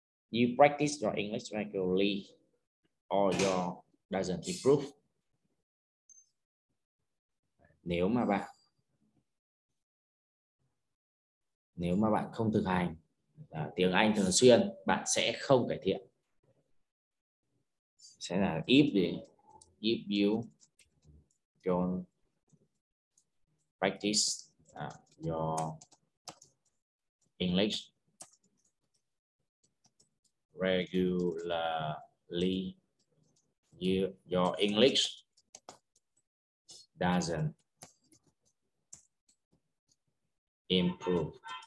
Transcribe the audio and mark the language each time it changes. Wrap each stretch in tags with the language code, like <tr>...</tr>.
<en>You practice your English regularly or your doesn't improve?</en> <vi>Nếu mà bạn không thực hành tiếng Anh thường xuyên, bạn sẽ không cải thiện. Sẽ là</vi> <en>if you don't practice your English regularly, your English doesn't improve.</en>